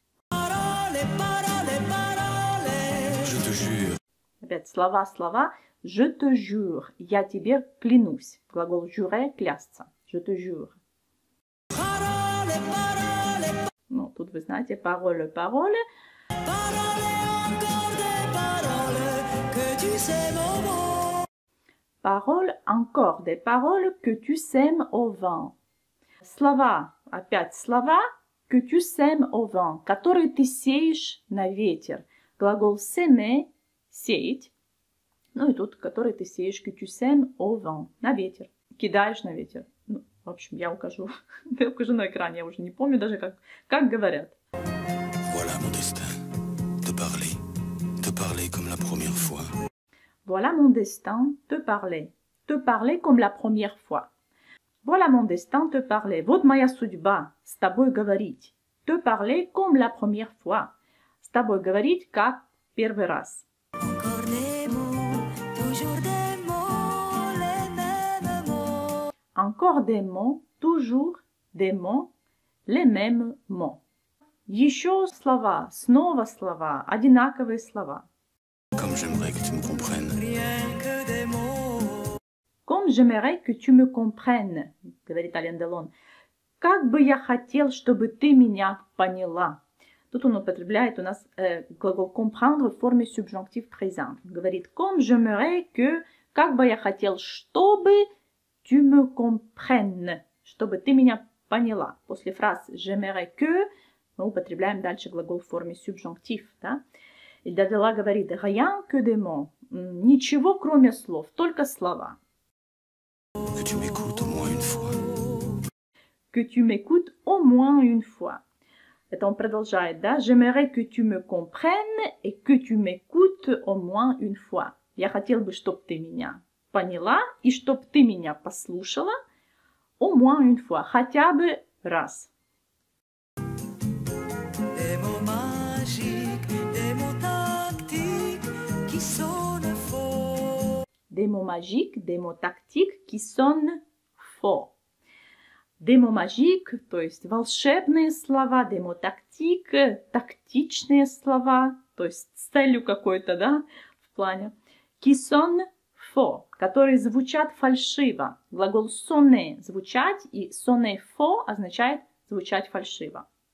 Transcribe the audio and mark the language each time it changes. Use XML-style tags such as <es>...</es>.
<fr>Parole, parole, parole. Je te jure.</fr> <ru>Опять слова, слова,</ru> <fr>je te jure.</fr> <ru>Я тебе клянусь. Глагол jurer, клясться.</ru> <fr>Je te jure. Parole, parole.</fr> <ru>Ну, тут вы знаете,</ru> <fr>parole, parole. Parole, encore des paroles, que tu sèmes au vent. Parole, encore des paroles, que tu sèmes au vent.</fr> <ru>Слова, опять слова,</ru> <fr>que tu sèmes au vent,</fr> <ru>которые ты сеешь на ветер. Глагол s'aimer, сеять. Ну, и тут, которые ты сеешь,</ru> <fr>que tu sèmes au vent,</fr> <ru>на ветер. Кидаешь на ветер. В общем, я укажу на экране, я уже не помню даже, как говорят.</ru> <fr>Voilà mon destin, te parler comme la première fois. Voilà mon destin, te parler comme la première fois. Voilà mon destin, te parler.</fr> <ru>Вот моя судьба, с тобой говорить.</ru> <fr>Te parler comme la première fois.</fr> <ru>С тобой говорить, как первый раз.</ru> <fr>Encore les mots, toujours des mots. Encore des mots, toujours des mots, les mêmes mots.</fr> <ru>Еще слова, снова слова, одинаковые слова.</ru> <fr>Comme j'aimerais que tu me comprennes. Rien que des mots. Comme j'aimerais que tu me comprennes,</fr> <ru>говорит Ален Делон. Как бы я хотел, чтобы ты меня поняла. Тут он употребляет у нас глагол comprendre в форме субъектив présent. Говорит,</ru> <fr>comme j'aimerais que,</fr> <ru>как бы я хотел, чтобы...</ru> <fr>Tu me comprennes,</fr> <ru>чтобы ты меня поняла. После фразы</ru> <fr>j'aimerais que</fr> <ru>мы употребляем дальше глагол в форме субъектив, да? И Далила говорит</ru> <fr>rien que des mots,</fr> <ru>ничего кроме слов, только слова.</ru> <fr>Que tu m'écoutes au moins une fois. Que tu m'écoutes au moins une fois.</fr> <ru>Это он продолжает, да?</ru> <fr>J'aimerais que tu me comprennes et que tu m'écoutes au moins une fois.</fr> <ru>Я хотел бы, чтобы ты меня поняла, и чтоб ты меня послушала,</ru> <fr>au moins une fois,</fr> <ru>хотя бы раз.</ru> <fr>Des mots magiques, des mots tactiques, qui sonnent faux. Des mots magiques, des mots tactiques, qui sonnent faux. des mots magiques,</fr> <ru>то есть волшебные слова,</ru> <fr>des mots tactiques,</fr> <ru>тактичные слова, то есть с целью какой-то, да, в плане,</ru> <fr>qui sont faux,</fr> <ru>которые звучат фальшиво. Глагол sonner – звучать, и</ru> <fr>sonner faux</fr> <ru>означает звучать фальшиво.</ru>